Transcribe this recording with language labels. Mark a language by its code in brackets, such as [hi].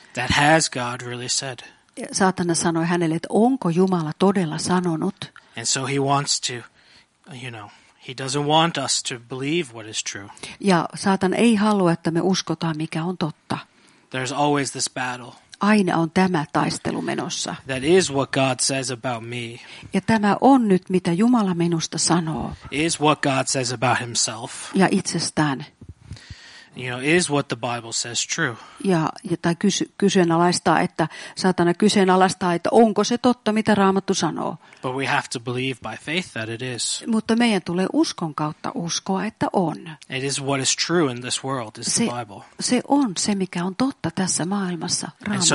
[en] That has God really said. [fi] Saatana sanoi hänelle, että onko Jumala todella sanonut? [en] And so he wants to, you know, he doesn't want us to believe what is true. [fi] Ja Saatan ei halua, että me uskotaan, mikä on totta. [en] There's always this battle. [fi] Aina on tämä taistelu menossa. [en] That is what God says about me. [fi] Ja tämä on nyt, mitä Jumala minusta sanoo. [en] Is what God says about himself. [fi] Ja itsestään. [en] You know, is what the Bible says true. [fi] Ja tai kyseenalaistaa, että Saatana kyseenalaistaa, että onko se totta, mitä Raamattu sanoo. [en] But we have to believe by faith that it is. [fi] Mutta meidän tulee uskon kautta uskoa, että on. [en] It is what is true in this world, is the Bible. [fi] Se on se, mikä on totta tässä maailmassa, Raamattu.